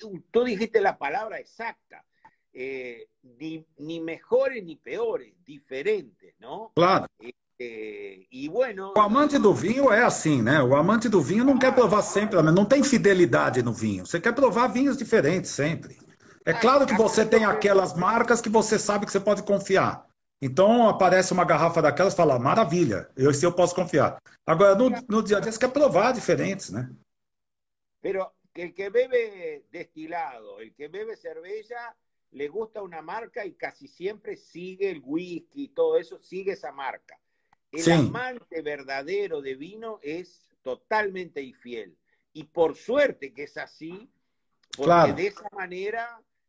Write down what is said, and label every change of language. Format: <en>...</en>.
<es>Tú dijiste la palabra exacta. Ni mejores ni peores, diferentes, ¿no? Claro. Y bueno... O amante del vino es así, ¿no? O amante del vino no quiere probar siempre, no tiene fidelidad en el vino.</es> <pt>Você quer provar vinhos diferentes siempre.</pt> <es>Es claro que</es> <pt>você tem aquelas marcas que você sabe que você pode confiar. Então aparece uma garrafa daquelas e fala, maravilha, esse eu posso confiar. Agora, no dia a dia, você quer provar diferentes, né?</pt> <es>Pero el que bebe destilado, el que bebe cerveja, le gusta una marca y casi siempre sigue el whisky y todo eso, sigue esa marca. El amante verdadero de vino es totalmente infiel. Y por suerte que es así, porque claro, de esa manera...</es>